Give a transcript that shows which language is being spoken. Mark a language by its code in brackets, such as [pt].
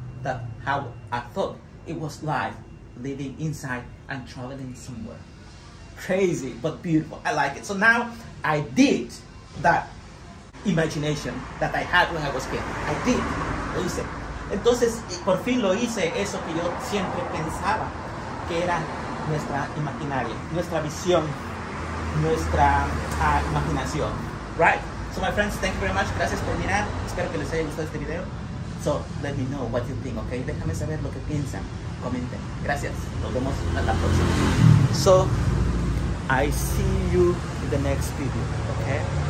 [en] That how I thought it was life, living inside and traveling somewhere. Crazy, but beautiful, I like it. So now I did that imagination that I had when I was a kid. I did, [es] lo hice. Entonces, por fin lo hice, eso que yo siempre pensaba, que era nuestra imaginaria, nuestra visión, nuestra imaginación, right? [en] So my friends, thank you very much. [es] Gracias por mirar. Espero que les haya gustado este video. [en] So let me know what you think, okay? [es] Déjame saber lo que piensan. Comenten. Gracias. Nos vemos a la próxima. So [en] I see you in the next video, okay?